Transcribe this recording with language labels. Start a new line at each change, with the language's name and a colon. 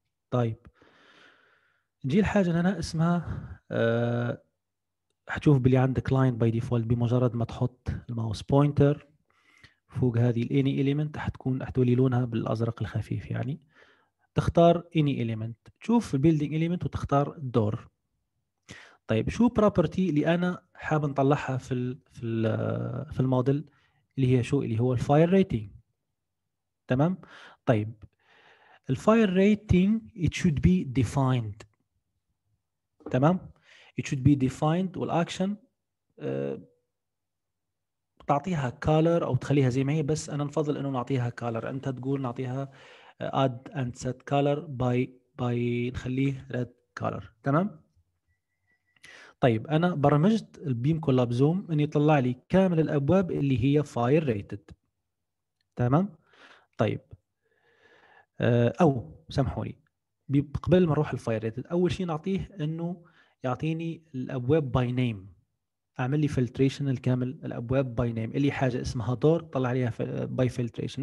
Arabic: طيب نجي الحاجة هنا اسمها هتشوف بلي عندك client by default، بمجرد ما تحط الماوس بوينتر فوق هذه الاني element هتكون هتولي لونها بالأزرق الخفيف، يعني تختار any element، تشوف building element وتختار door. طيب شو بروبرتي اللي انا حاب نطلعها في الموديل، اللي هي شو، اللي هو الفاير ريتنج. تمام. طيب الفاير ريتنج
English: it should be defined.
Arabic: تمام
English: it should be defined،
Arabic: والاكشن تعطيها color او تخليها زي ما هي، بس انا نفضل انه نعطيها color. انت تقول نعطيها
English: add and set color by
Arabic: نخليه red color. تمام. طيب انا برمجت البيم كولاب زوم ان يطلع لي كامل الابواب اللي هي فاير ريتد. تمام. طيب او سامحوني قبل ما نروح الفاير ريتد، اول شيء نعطيه انه يعطيني الابواب باي نيم، اعمل لي فلتريشن الكامل الابواب باي نيم، اللي حاجه اسمها دور طلع عليها باي فلتريشن.